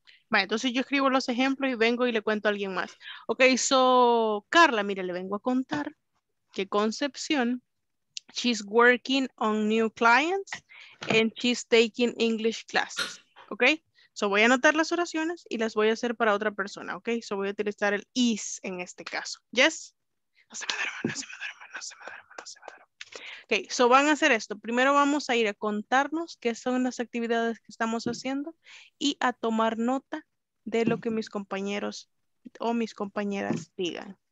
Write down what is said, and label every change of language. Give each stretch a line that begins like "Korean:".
Spanish: Vale, entonces yo escribo los ejemplos y vengo y le cuento a alguien más. Ok, so Carla, mire, le vengo a contar que Concepción
English: She's working on new clients and she's taking English classes.
Spanish: Ok, so voy a anotar las oraciones y las voy a hacer para otra persona. Ok, so voy a utilizar el is en este caso. Yes. No se me duerma, no se me duerma, no se me duerma, no se me duerma. Ok, so van a hacer esto. Primero vamos a ir a contarnos qué son las actividades que estamos haciendo y a tomar nota de lo que mis compañeros o mis compañeras digan.